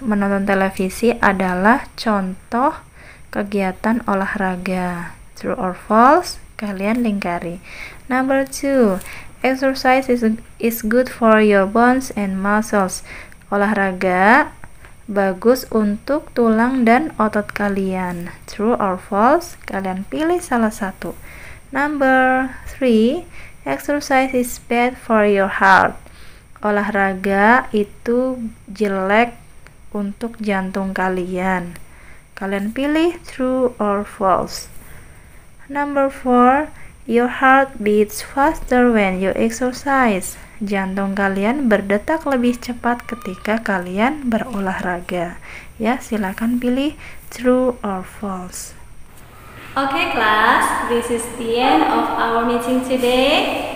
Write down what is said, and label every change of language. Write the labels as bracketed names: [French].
[Indonesian] Menonton televisi adalah contoh kegiatan olahraga. [English] True or false? [Indonesian] kalian lingkari. [English] Number 2, exercise is good for your bones and muscles. [Indonesian] Olahraga bagus untuk tulang dan otot kalian. [English] True or false? [Indonesian] Kalian pilih salah satu. [English] Number 3, exercise is bad for your heart. [Indonesian] Olahraga itu jelek untuk jantung kalian. Kalian pilih [English] true or false. Number 4, your heart beats faster when you exercise. [Indonesian] Jantung kalian berdetak lebih cepat ketika kalian berolahraga. Ya, silakan pilih [English] true or false. Okay, class, this is the end of our meeting today.